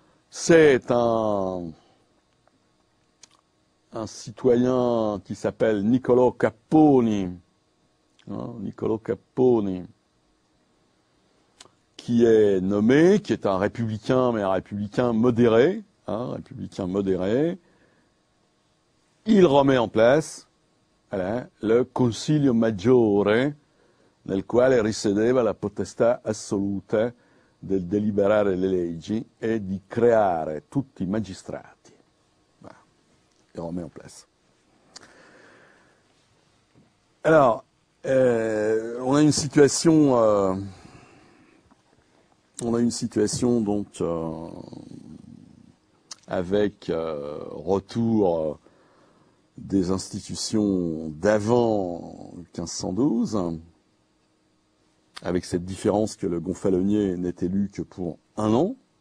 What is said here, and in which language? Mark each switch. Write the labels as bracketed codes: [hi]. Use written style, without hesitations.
[fr] C'est un citoyen qui s'appelle Niccolò Capponi, hein, Niccolò Capponi, qui est nommé, qui est un républicain, mais un républicain modéré, hein, un républicain modéré. Il remet en place, voilà, [it] le Consiglio Maggiore, nel quale risiedeva la potestà assoluta del deliberare le leggi e di creare tutti i magistrati. [fr] Et on remet en place. Alors, on a une situation, avec retour des institutions d'avant 1512, avec cette différence que le gonfalonier n'est élu que pour un an.